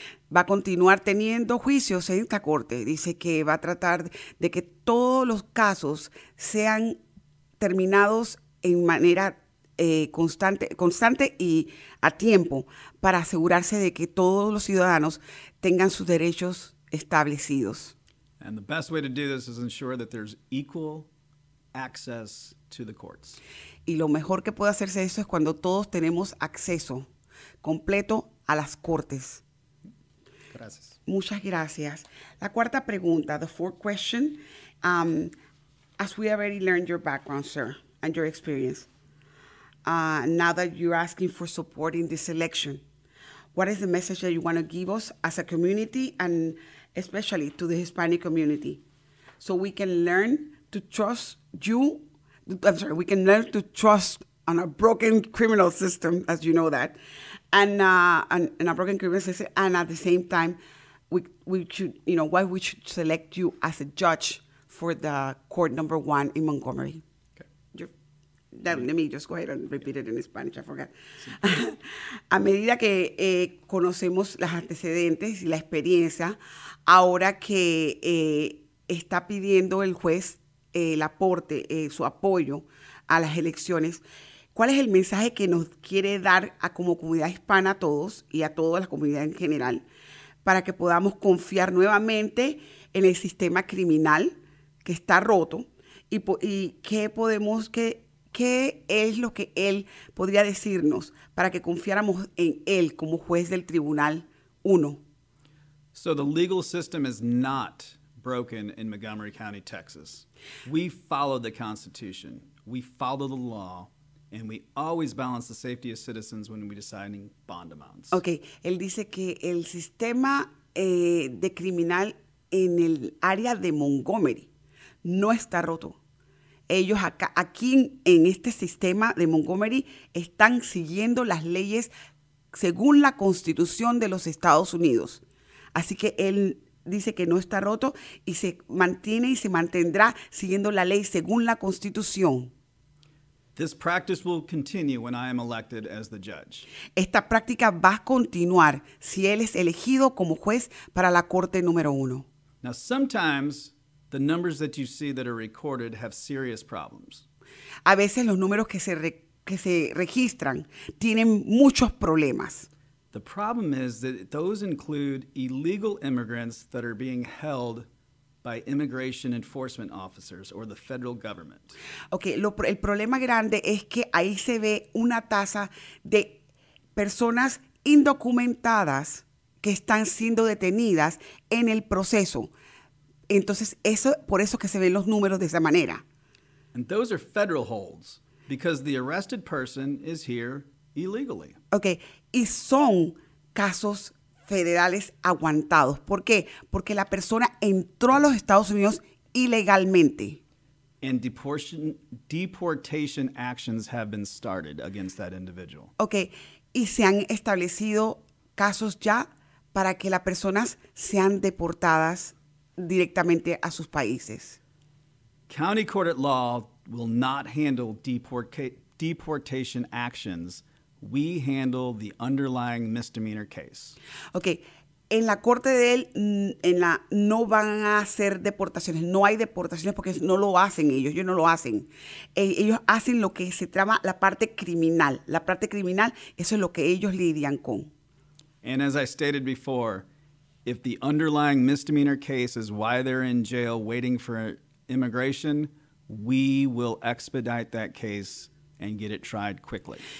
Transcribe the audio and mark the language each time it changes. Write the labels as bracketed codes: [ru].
[es] Va a continuar teniendo juicios en esta corte. Dice que va a tratar de que todos los casos sean terminados en manera constante y a tiempo para asegurarse de que todos los ciudadanos tengan sus derechos establecidos. [en] And the best way to do this is ensure that there's equal access to the courts. [es] Y lo mejor que puede hacerse eso es cuando todos tenemos acceso completo a las cortes. Gracias. Muchas gracias. La cuarta pregunta, [en] the fourth question. As we already learned your background, sir, and your experience, now that you're asking for support in this election, what is the message that you want to give us as a community and especially to the Hispanic community, so we can learn to trust you. I'm sorry, we can learn to trust on a broken criminal system, as you know that, and a broken criminal system. And at the same time, we should select you as a judge for the court number one in Montgomery. Let me just go ahead and repeat it in Spanish, I forgot. [es] A medida que conocemos los antecedentes y la experiencia, ahora que está pidiendo el juez el aporte, su apoyo a las elecciones, ¿cuál es el mensaje que nos quiere dar a como comunidad hispana a todos y a toda la comunidad en general para que podamos confiar nuevamente en el sistema criminal que está roto y qué podemos... ¿Qué es lo que él podría decirnos para que confiáramos en él como juez del Tribunal 1? [en] So the legal system is not broken in Montgomery County, Texas. We follow the Constitution, we follow the law, and we always balance the safety of citizens when we're deciding bond amounts. [es] Okay, él dice que el sistema de criminal en el área de Montgomery no está roto. Ellos acá, aquí en este sistema de Montgomery, están siguiendo las leyes según la Constitución de los Estados Unidos. Así que él dice que no está roto y se mantiene y se mantendrá siguiendo la ley según la Constitución. [en] This practice will continue when I am elected as the judge. [es] Esta práctica va a continuar si él es elegido como juez para la corte número uno. [en] Now, sometimes the numbers that you see that are recorded have serious problems. [es] A veces los números que se registran tienen muchos problemas. [en] The problem is that those include illegal immigrants that are being held by immigration enforcement officers or the federal government. [es] Okay, el problema grande es que ahí se ve una tasa de personas indocumentadas que están siendo detenidas en el proceso. Entonces, eso por eso que se ven los números de esa manera. [en] And those are federal holds because the arrested person is here illegally. [es] Okay, y son casos federales aguantados. ¿Por qué? Porque la persona entró a los Estados Unidos ilegalmente. [en] And deportation actions have been started against that individual. [es] Okay, y se han establecido casos ya para que las personas sean deportadas directamente a sus países. [en] County court at law will not handle deportation actions. We handle the underlying misdemeanor case. Okay. [es] En la corte de él, en la no van a hacer deportaciones. No hay deportaciones porque no lo hacen ellos. Ellos no lo hacen. Ellos hacen lo que se llama la parte criminal. La parte criminal, eso es lo que ellos lidian con. [en] And as I stated before, if the underlying misdemeanor case is why they're in jail waiting for immigration, we will expedite that case and get it tried quickly.